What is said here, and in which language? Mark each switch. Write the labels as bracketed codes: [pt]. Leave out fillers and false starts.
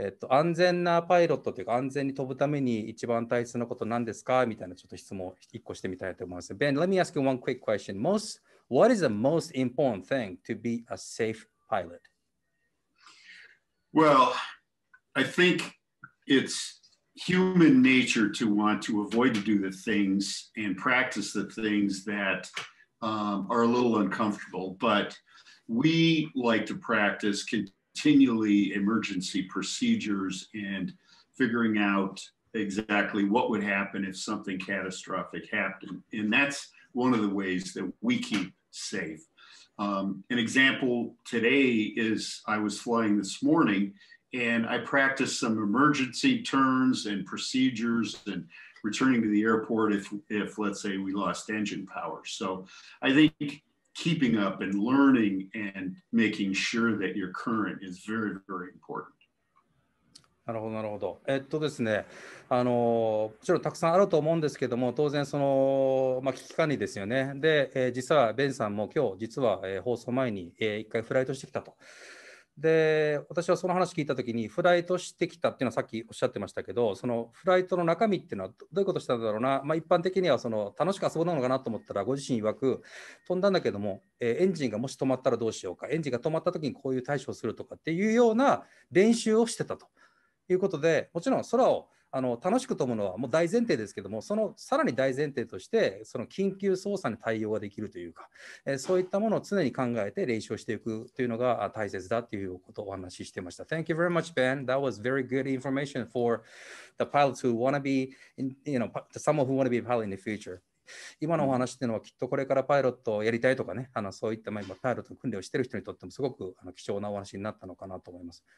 [ja] 安全なパイロットというか安全に飛ぶために一番大切なことなんですかみたいな、ちょっと質問1個してみたいと思います。 [en] Ben, let me ask you one quick question. What is the most important thing to be a safe pilot? Well, I thinkIt's human nature to want to avoid to do the things and practice the things that are a little uncomfortable, but we like to practice continually emergency procedures and figuring out exactly what would happen if something catastrophic happened. And that's one of the ways that we keep safe. An example today is I was flying this morning,And I practiced some emergency turns and procedures and returning to the airport if let's say we lost engine power. So I think keeping up and learning and making sure that you're current is very, very important. [ja] なるほど、なるほど。ですね、もちろんたくさんあると思うんですけども、当然その、まあ、危機管理ですよね。で、実はベンさんも今日実は、放送前に、1回フライトしてきたと。で、私はその話聞いたときに、フライトしてきたっていうのはさっきおっしゃってましたけど、そのフライトの中身っていうのはどういうことしたんだろうな、まあ、一般的にはその楽しく遊ぶのかなと思ったら、ご自身曰く飛んだんだけども、エンジンがもし止まったらどうしようか、エンジンが止まったときにこういう対処をするとかっていうような練習をしてたということで、もちろん空を楽しく飛ぶのはもう大前提ですけども、そのさらに大前提としてその緊急操作に対応ができるというか、そういったものを常に考えて練習をしていくというのが大切だということをお話ししていました。 [en] Thank you very much, Ben. That was very good information for the pilots who want to be in, you know, someone who want to be a pilot in the future. [ja] 今のお話というのはきっとこれからパイロットをやりたいとかね、そういった、まあ、今パイロットの訓練をしている人にとってもすごく貴重なお話になったのかなと思います。